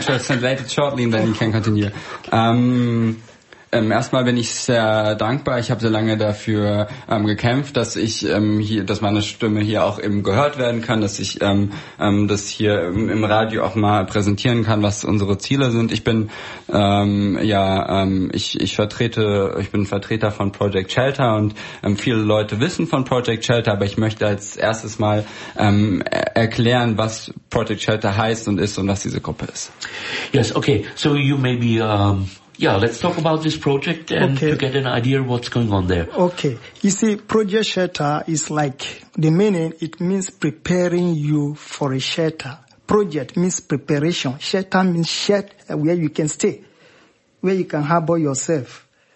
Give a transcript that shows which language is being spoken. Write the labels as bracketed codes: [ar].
[en] translate it shortly and then you can continue. Okay. [de] Erstmal bin ich sehr dankbar. Ich habe sehr lange dafür gekämpft, dass ich hier, dass meine Stimme hier auch eben gehört werden kann, dass ich das hier im Radio auch mal präsentieren kann, was unsere Ziele sind. Ich bin ich bin Vertreter von Project Shelter und viele Leute wissen von Project Shelter, aber ich möchte als erstes mal erklären, was Project Shelter heißt und ist und was diese Gruppe ist. [en] Yes, okay. So you may be let's talk about this project and to get an idea of what's going on there. Okay. You see, Project Shelter is like, the meaning, it means preparing you for a shelter. Project means preparation. Shelter means shelter where you can stay, where you can harbor yourself.